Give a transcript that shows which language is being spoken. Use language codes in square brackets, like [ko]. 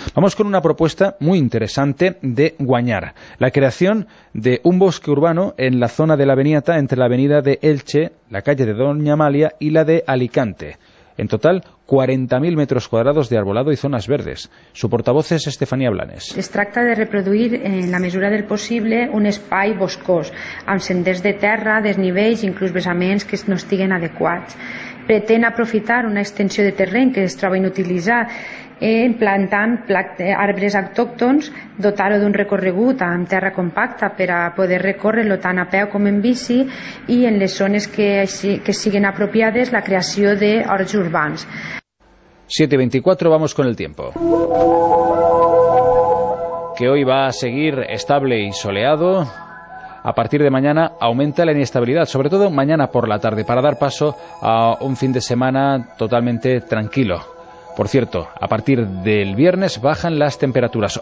[es] Vamos con una propuesta muy interesante de Guañar. La creación de un bosque urbano en la zona de la Beniata, entre la avenida de Elche, la calle de Doña Amalia y la de Alicante. En total, 40.000 metros cuadrados de arbolado y zonas verdes. Su portavoz es Estefanía Blanes. [ca] Es tracta de reproduir en la mesura del possible un espai boscós, amb senders de terra, desnivells, inclús vessaments que no estiguen adequats. Pretén aprofitar una extensió de terreny que es troba inutilitzat implantant arbres autòctons, dotar-ho d'un recorregut amb terra compacta per a poder recórrer-lo tant a peu com en bici, i en les zones que siguin apropiades la creació d'horts urbans. [es] 7:24, vamos con el tiempo. Que hoy va a seguir estable y soleado. A partir de mañana aumenta la inestabilidad, sobre todo mañana por la tarde, para dar paso a un fin de semana totalmente tranquilo. Por cierto, a partir del viernes bajan las temperaturas.